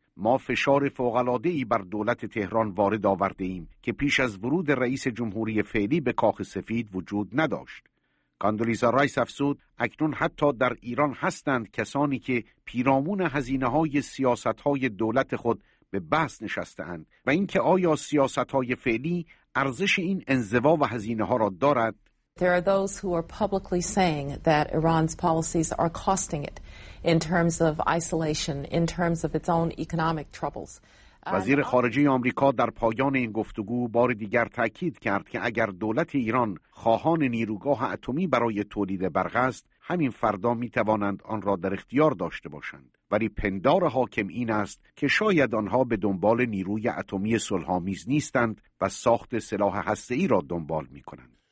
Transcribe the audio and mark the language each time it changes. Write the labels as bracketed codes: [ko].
[fa] ما فشار فوق‌العاده ای بر دولت تهران وارد آورده ایم که پیش از ورود رئیس جمهوری فعلی به کاخ سفید وجود نداشت. کاندولیزا رایس افسود اکنون حتی در ایران هستند کسانی که پیرامون هزینه های سیاست های دولت خود به بحث نشستند و اینکه آیا سیاست‌های فعلی ارزش این انزوا و هزینه‌ها را دارد. [en] There are those who are publicly saying that Iran's policies are costing it in terms of isolation, in terms of its own economic troubles. [fa] وزیر خارجه آمریکا در پایان این گفتگو بار دیگر تاکید کرد که اگر دولت ایران خواهان نیروگاه اتمی برای تولید برق است، همین فردا می توانند آن را در اختیار داشته باشند. ولی پندار حاکم این است که شاید آنها به دنبال نیروی اتمی صلح‌آمیز نیستند و ساخت سلاح هسته‌ای را دنبال می کنند.